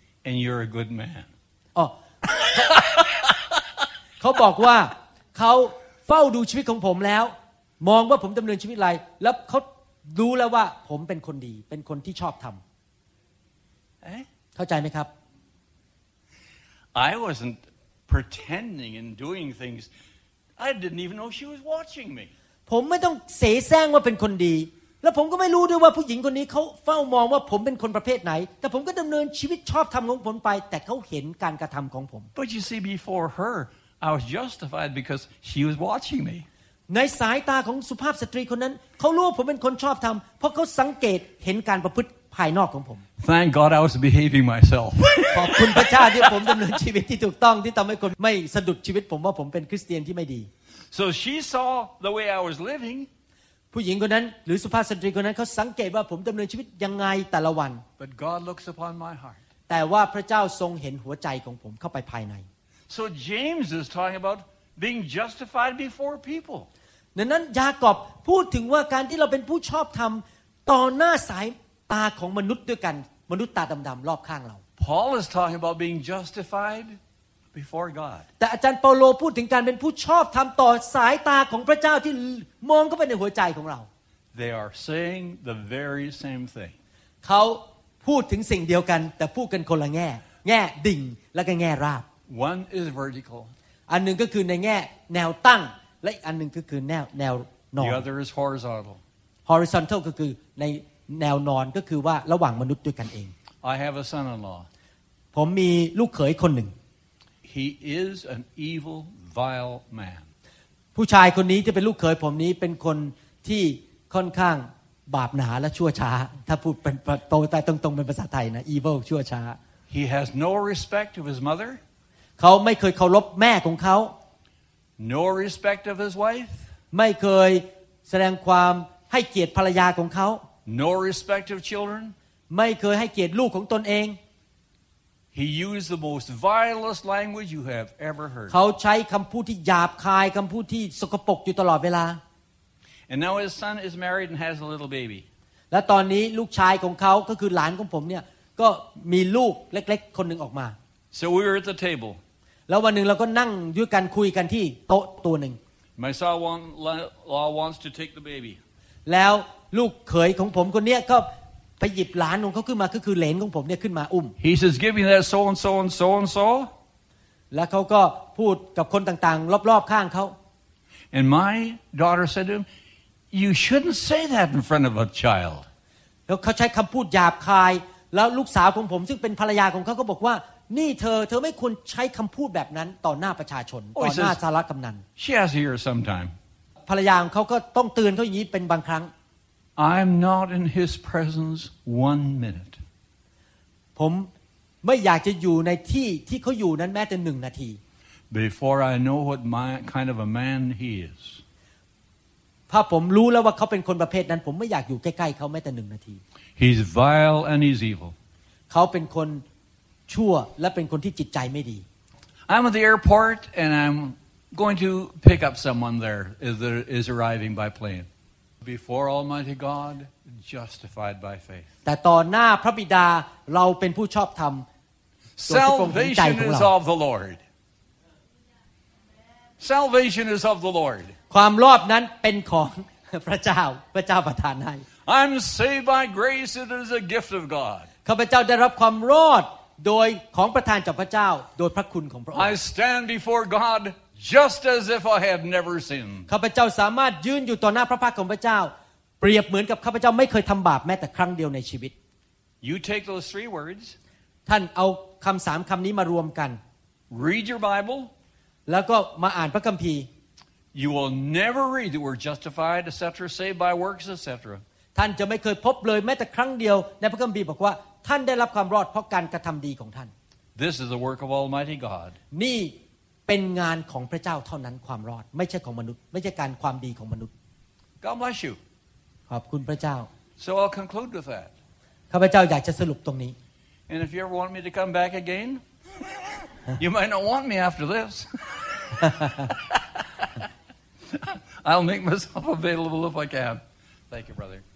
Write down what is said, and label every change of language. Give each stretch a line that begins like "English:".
English: And you're a good man.
Thai: เขาบอกว่าเขาเฝ้าดูชีวิตของผมแล้วมองว่าผมดำเนินชีวิตอะไรแล้วเขารู้แล้วว่าผมเป็นคนดีเป็นคนที่ชอบทำเข้าใจไหมครับ
English: I wasn't pretending and doing things. I didn't even know she was watching me.
Thai: ผมไม่ต้องเสแสร้งว่าเป็นคนดีแล้วผมก็ไม่รู้ด้วยว่าผู้หญิงคนนี้เขาเฝ้ามองว่าผมเป็นคนประเภทไหนแต่ผมก็ดำเนินชีวิตชอบทำของผมไปแต่เขาเห็นการกระทำของผม
English: But you see before her I was justified because she was watching me
Thai: ในสายตาของสุภาพสตรีคนนั้นเขารู้ว่าผมเป็นคนชอบทำเพราะเขาสังเกตเห็นการประพฤติภายนอกของผม
English: Thank God I was behaving myself
Thai: ขอบคุณพระเจ้าที่ผมดำเนินชีวิตที่ถูกต้องที่ทำให้คนไม่สะดุดชีวิตผมว่าผมเป็นคริสเตียนที่ไม่ดี
English: So she saw the way I was living.
Thai: ผู้หญิงคนนั้นหรือสุภาพสตรีคนนั้นเขาสังเกตว่าผมดำเนินชีวิตยังไงแต่ละวัน
English: But God looks upon my heart.
Thai: แต่ว่าพระเจ้าทรงเห็นหัวใจของผมเข้าไปภายใน
English: So James is talking about being justified before people.
Thai: ดังนั้นยากอบพูดถึงว่าการที่เราเป็นผู้ชอบธรรมต่อหน้าสายตาของมนุษย์ด้วยกันมนุษย์ตาดำๆรอบข้างเรา
English: Paul is talking about being justifedBefore God.
Thai: แต่อาจารย์เปาโลพูดถึงการเป็นผู้ชอบธรรมต่อสายตาของพระเจ้าที่มองเข้าไปในหัวใจของเรา
English: They are saying the very same thing.
Thai: เขาพูดถึงสิ่งเดียวกันแต่พูดกันคนละแง่ดิ่งและก็แง่ราบ
English: One is vertical.
Thai: อันหนึ่งก็คือในแง่แนวตั้งและอันหนึ่งก็คือแนวนอน
English: The other is horizontal.
Thai: Horizontal ก็คือในแนวนอนก็คือว่าระหว่างมนุษย์ด้วยกันเอง
English: I have a son-in-law.
Thai: ผมมีลูกเขยคนหนึ่ง
English: He is an evil, vile man.
Thai: ผู้ชายคนนี้ที่เป็นลูกเขยผมนี้เป็นคนที่ค่อนข้างบาปหนาและชั่วช้าถ้าพูดเป็นโตแต่ตรงๆเป็นภาษาไทยนะ evil ชั่วช้า
English: He has no respect of his mother.
Thai: เขาไม่เคยเคารพแม่ของเขา
English: No respect of his wife.
Thai: ไม่เคยแสดงความให้เกียรติภรรยาของเขา
English: No respect of children.
Thai: ไม่เคยให้เกียรติลูกของตนเอง
English: He used the most vilest language you have ever heard.
Thai: เขาใช้คำพูดที่หยาบคายคำพูดที่สกปรกอยู่ตลอดเวลา
English: And now his son is married and has a little baby.
Thai: และตอนนี้ลูกชายของเขาก็คือหลานของผมเนี่ยก็มีลูกเล็กๆคนหนึ่งออกมา
English: So we were at the table.
Thai: แล้ววันหนึ่งเราก็นั่งด้วยกันคุยกันที่โต๊ะตัวหนึ่ง
English: My son-in-law wants to take the baby.
Thai: แล้วลูกเขยของผมคนเนี้ยก็ไปหยิบหลานของเขาขึ้นมาก็คือเหลนของผมเนี่ยขึ้นมาอุ้ม
English: He says give me that so and so and so and so
Thai: แล้วเขาก็พูดกับคนต่างๆรอบๆข้างเขา
English: And my daughter said to him you shouldn't say that in front of a child
Thai: แล้วเขาใช้คำพูดหยาบคายแล้วลูกสาวของผมซึ่งเป็นภรรยาของเขาก็บอกว่านี่เธอไม่ควรใช้คำพูดแบบนั้นต่อหน้าประชาชนต่อหน้าสารกำนัน
English: She has here sometime
Thai: ภรรยาของเขาก็ต้องเตือนเขาอย่างนี้เป็นบางครั้ง
English: I'm not in his presence 1 minute
Thai: ผมไม่อยากจะอยู่ในที่ที่เขาอยู่นั้นแม้แต่1นาที
English: Before I know what my kind of a man he is
Thai: ถ้าผมรู้แล้วว่าเขาเป็นคนประเภทนั้นผมไม่อยากอยู่ใกล้ๆเขาแม้แต่1นาที
English: He's vile and he's evil
Thai: เขาเป็นคนชั่วและเป็นคนที่จิตใจไม่ดี
English: I'm at the airport and I'm going to pick up someone there is arriving by plane before almighty god justified by faith
Thai: แต่ต่อหน้าพระบิดาเราเป็นผู้ชอบธรรม
English: Salvation is of the Lord Salvation is of the Lord
Thai: ความรอดนั้นเป็นของพระเจ้าประทานให้
English: I'm saved by grace it is a gift of god
Thai: ข้าพเจ้าได้รับความรอดโดยของประทานจากพระเจ้าโดยพระคุณของพระองค์
English: I stand before God just as if I had never sinned
Thai: ข้าพเจ้าสามารถยืนอยู่ต่อหน้าพระพักตร์ของพระเจ้าเปรียบเหมือนกับข้าพเจ้าไม่เคยทำบาปแม้แต่ครั้งเดียวในชีวิต
English: You take those 3 words
Thai: ท่านเอาคำ3 คำนี้มารวมกัน
English: Read your Bible
Thai: แล้วก็มาอ่านพระคัมภีร์
English: You will never read that we're justified etc saved by works etc
Thai: ท่านจะไม่เคยพบเลยแม้แต่ครั้งเดียวในพระคัมภีร์บอกว่าท่านได้รับความรอดเพราะการกระทำดีของท่าน
English: This is the work of Almighty God
Thai: นี่เป็นงานของพระเจ้าเท่านั้นความรอดไม่ใช่ของมนุษย์ไม่ใช่การความดีของมนุษย์
English: God bless you
Thai: ขอบคุณพระเจ้า
English: So I'll conclude with that
Thai: ข้าพเจ้าอยากจะสรุปตรงนี้
English: And if you ever want me to come back again you might not want me after this I'll make myself available if I can Thank you brother